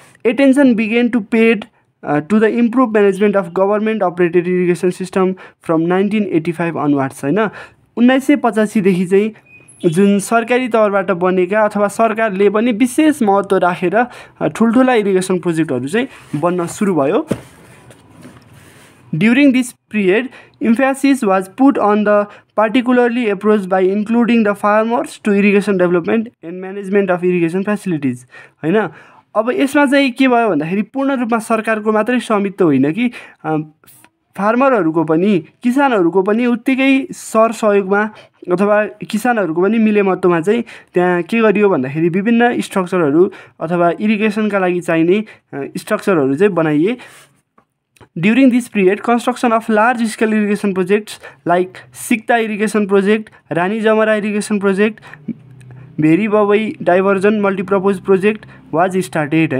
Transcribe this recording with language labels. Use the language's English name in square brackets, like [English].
[English] Attention began to paid to the improve management of government operated irrigation system from 1985 onwards. [Nepali] होइन, 1985 चाहिँ जुन सरकारी तौरबाट बनेका अथवा सरकारले पनि विशेष महत्त्व राखेर ठुल्ठुला इरिगेसन प्रोजेक्टहरू चाहिँ बन्न सुरु भयो. [English] During this period, emphasis was put on the particularly approach by including the farmers to irrigation development and management of irrigation facilities. [Nepali] होइन, अब यसमा चाहिँ के भयो भन्दाखेरि पूर्ण रूपमा सरकारको मात्रै स्वामित्व होइन कि फार्मरहरूको पनि किसानहरूको पनि उत्तिकै सर सहयोगमा अथवा किसानहरूको पनि मिलेमत्तोमा चाहिँ त्यहाँ के गरियो भन्दाखेरि विभिन्न स्ट्रक्चरहरू अथवा इरिगेसनका लागि चाहिने स्ट्रक्चरहरू चाहिँ बनाइए. [English] During this period, construction of large-scale irrigation projects like Sikta Irrigation Project, Rani Jamara Irrigation Project, Bheri Babai Diversion Multipurpose Project was started.